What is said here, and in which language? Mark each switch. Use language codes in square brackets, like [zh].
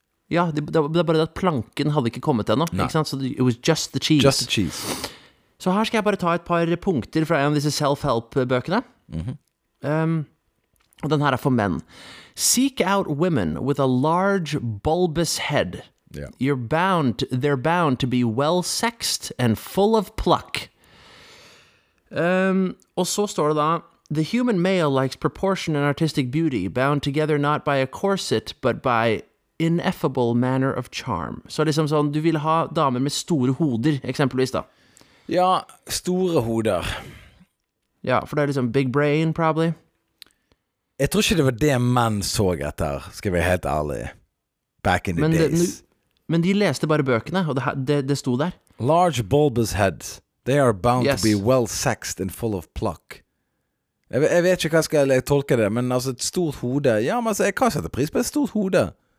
[no] Ja, det bare det at planken hadde ikke kommet enda. Ikke sant? Så [en] it was just the cheese. Just the cheese. [no] Så her skal jeg bare ta et par punkter fra en av disse self-help-bøkene. Mm-hmm. Og den her for menn. [en] Seek out women with a large bulbous head. Yeah. They're bound to be well-sexed and full of pluck. [no] Og så står det da, [en] the human male likes proportion and artistic beauty, bound together not by a corset, but by ineffable manner of charm. [no] Så liksom sånn, du vil ha damer med store hoder, eksempelvis da. Ja, store hoder. Ja, for det liksom [en] big brain, probably. [no] Jeg tror ikke det var det menn så etter, skal vi være helt ærlig. [en] Back in the men days. Men [no] de leste bare bøkene, og det sto der. [en] Large bulbous heads. They are bound to be well-sexed and full of pluck. [no] Jeg vet ikke hva skal jeg tolke det, men altså et stort hode. Ja, men altså, jeg kan sette pris på et stort hode.